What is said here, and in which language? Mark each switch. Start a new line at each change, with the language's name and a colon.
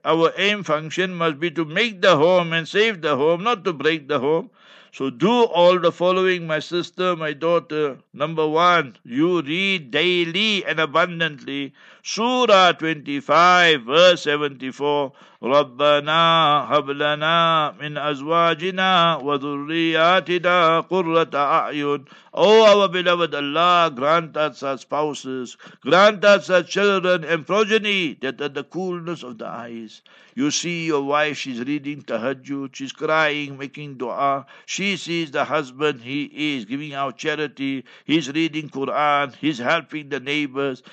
English: Our aim function must be to make the home and save the home, not to break the home. So do all the following, my sister, my daughter. Number one, you read daily and abundantly Surah 25, verse 74.
Arabic: ربنا هب لنا من أزواجنا وذرياتنا قرة أعين.
English: Oh, our beloved Allah, grant us our spouses, grant us our children and progeny, that are the coolness of the eyes. You see your wife, she's reading tahajjud, she's crying, making dua. She sees the husband, he is giving out charity, he's reading Quran, he's helping the neighbors.